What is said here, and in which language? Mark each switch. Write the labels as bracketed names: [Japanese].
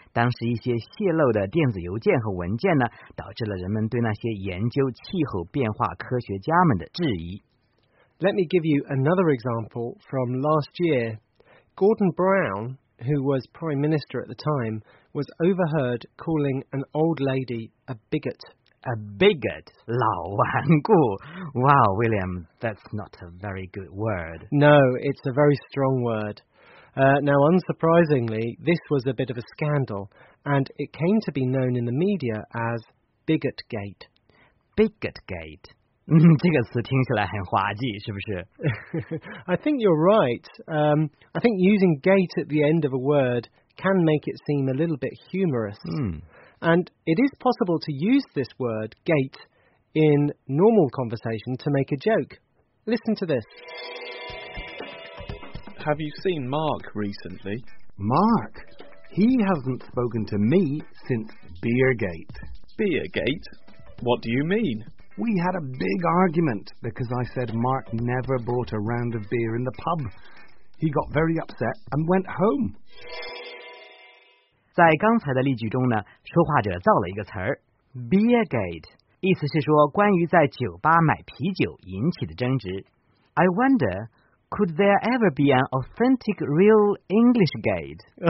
[Chinese] 当时一些泄露的电子邮件和文件呢，导致了人们对那些研究气候变化科学家们的质疑。 [English] Let me give you another example from last year. Gordon Brown... who was Prime Minister at the time, was overheard calling an old lady a bigot. A bigot? [Chinese] 老顽固. [English] Wow, William, that's not a very good word. No, it's a very strong word. Now, unsurprisingly, this was a bit of a scandal, and it came to be known in the media as Bigot Gate. Bigot Gate. [Chinese] 这个词听起来很滑稽，是不是 [English] ？I think you're right. I think using gate at the end of a word can make it seem a little bit humorous. And it is possible to use this word, gate, in normal conversation to make a joke. Listen to this. Have you seen Mark recently? Mark? He hasn't spoken to me since Beergate. Beergate? What do you mean? We had a big argument because I said Mark never bought a round of beer in the pub. He got very upset and went home. [Chinese] 在刚才的例句中呢，说话者造了一个词儿 ,beer gate, 意思是说关于在酒吧买啤酒引起的争执。 [English] I wonder, could there ever be an authentic real English gate?